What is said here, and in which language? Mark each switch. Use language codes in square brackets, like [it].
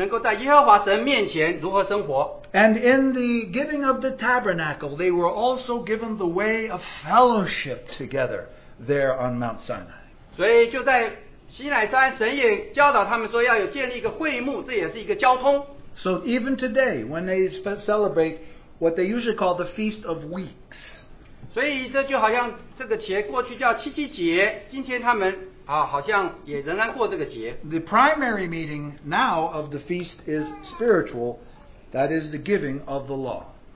[zh] 所以他们这些好像有一个律法则，就能够在耶和华神面前如何生活。 [en] And in the giving of the tabernacle, they were also given the way of fellowship together there on Mount Sinai. [zh] 所以就在西乃山，神也教导他们说要有建立一个会幕，这也是一个交通。 [en] So even today, when they celebrate what they usually call the Feast of Weeks, [zh] 所以这就好像这个节过去叫七七节，今天他们好像也仍然过这个节。 [en] The primary meeting now of the feast is spiritual, that is the giving of the law.